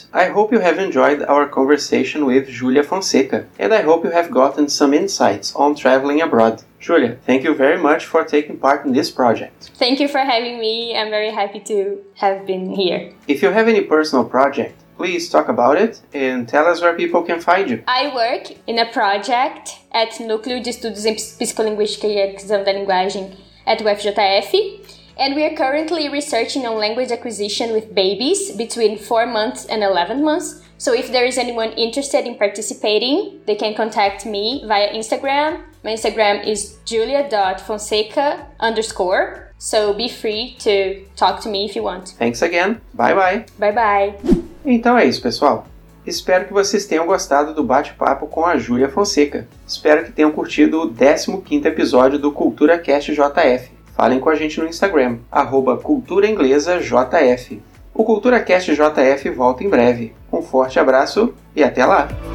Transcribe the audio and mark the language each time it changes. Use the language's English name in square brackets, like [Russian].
[English] I hope you have enjoyed our conversation with Julia Fonseca. And I hope you have gotten some insights on traveling abroad. Julia, thank you very much for taking part in this project. Thank you for having me. I'm very happy to have been here. If you have any personal project, please talk about it and tell us where people can find you. I work in a project at Núcleo de Estudos em Psicolinguística e Exame da Linguagem at UFJF. And we are currently researching on language acquisition with babies between 4 months and 11 months. So if there is anyone interested in participating, they can contact me via Instagram. My Instagram is julia.fonseca_. So be free to talk to me if you want. Thanks again. Bye-bye. Bye-bye. [Portuguese] Então é isso, pessoal. Espero que vocês tenham gostado do bate-papo com a Julia Fonseca. Espero que tenham curtido o 15º episódio do CulturaCast JF. Falem com a gente no Instagram, @culturainglesajf. O CulturaCast JF volta em breve. Um forte abraço e até lá!